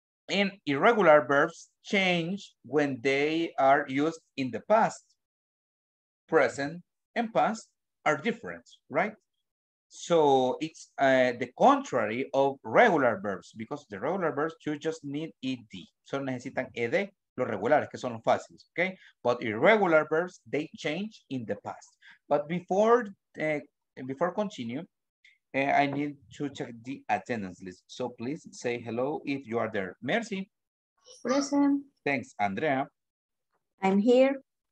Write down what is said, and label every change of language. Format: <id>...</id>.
<en>And irregular verbs change when they are used in the past. Present and past are different, right? So it's the contrary of regular verbs, because the regular verbs, you just need ed.</en> <es>So necesitan ed, los regulares, que son los fáciles, okay?</es> <en>But irregular verbs, they change in the past. But before continue, I need to check the attendance list. So please say hello if you are there.</en> <fr>Merci.</fr> <en>Present. Thanks, Andrea. I'm here.</en>